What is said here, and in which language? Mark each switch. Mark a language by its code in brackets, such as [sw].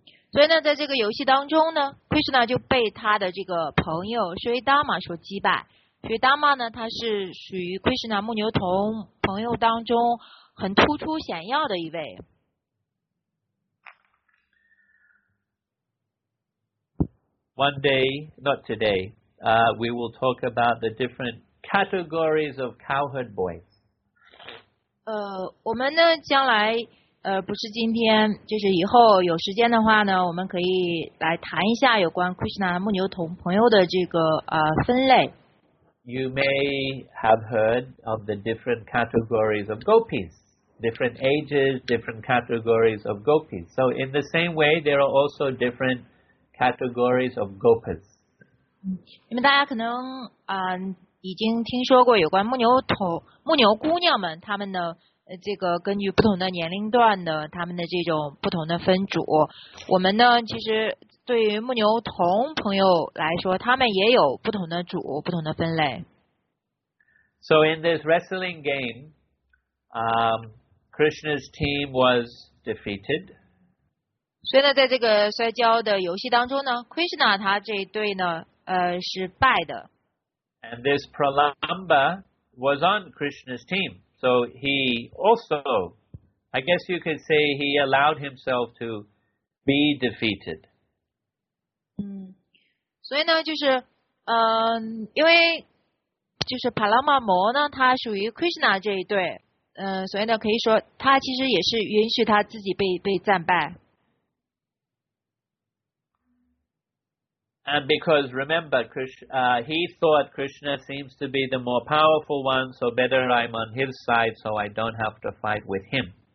[zh] 所以呢，在这个游戏当中呢 ，Krishna 就被他的这个朋友 Sri Dharma 所击败。所以达玛呢，他是属于龟什那牧牛童朋友当中很突出显要的一位。 [en] One day, not today, we will talk about the different categories of cowherd boys. [zh] 我们呢将来不是今天，就是以后有时间的话呢，我们可以来谈一下有关 Krishna 牧牛童朋友的这个分类。 [en] You may have heard of the different categories of gopis, different ages, different categories of gopis. So in the same way, there are also different categories of gopas. [zh] 因为大家可能已经听说过有关牧牛童牧牛姑娘们他们的。这个根据不同的年龄段的他们的这种不同的分组，我们呢其实对于牧牛童朋友来说，他们也有不同的组，不同的分类。 [en] So in this wrestling game, Krishna's team was defeated. [zh] 所以呢，在这个摔跤的游戏当中呢 ，Krishna 他这一队呢，是败的。 [en] And this Pralamba was on Krishna's team. So he also, I guess you could say, he allowed himself to be defeated. [zh] 所以呢，就是，因为就是帕拉玛摩呢，他属于 Krishna 这一队，所以呢，可以说他其实也是允许他自己被战败。 [en] And because remember, he thought Krishna seems to be the more powerful one, so better I'm on his side, so I don't have to fight with him.